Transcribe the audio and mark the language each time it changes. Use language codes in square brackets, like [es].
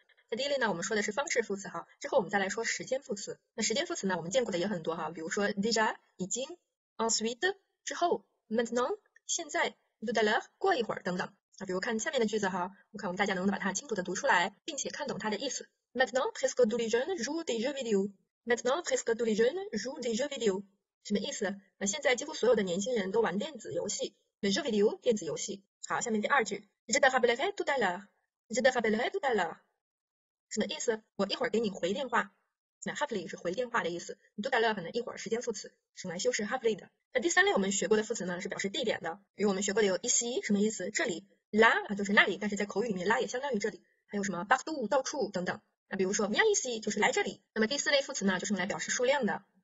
[zh] 那第一类呢，我们说的是方式副词哈，之后我们再来说时间副词。那时间副词呢，我们见过的也很多哈，比如说 déjà 已经 ，ensuite 之后 ，maintenant 现在 ，tout à l'heure 过一会儿等等。那比如看下面的句子哈，我看我们大家能不能把它清楚的读出来，并且看懂它的意思。 [fr] Maintenant presque tous les jeunes jouent des jeux vidéo. Maintenant presque tous les jeunes jouent des jeux vidéo. [zh] 什么意思？那现在几乎所有的年轻人都玩电子游戏 ，les jeux vidéo 电子游戏。好，下面第二句 [fr] ，je te rappellerai tout à l'heure. Je te rappellerai tout à l'heure. [zh] 什么意思？我一会儿给你回电话。那 happily 是回电话的意思。tout à l'heure 呢，一会儿时间副词，是来修饰 happily 的。那第三类我们学过的副词呢，是表示地点的。比如我们学过的有 ici 什么意思？这里。 là 就是那里，但是在口语里面 là 也相当于这里。还有什么 partout 到处等等。那比如说 [fr] viens ici [zh] 就是来这里。那么第四类副词呢，就是用来表示数量的。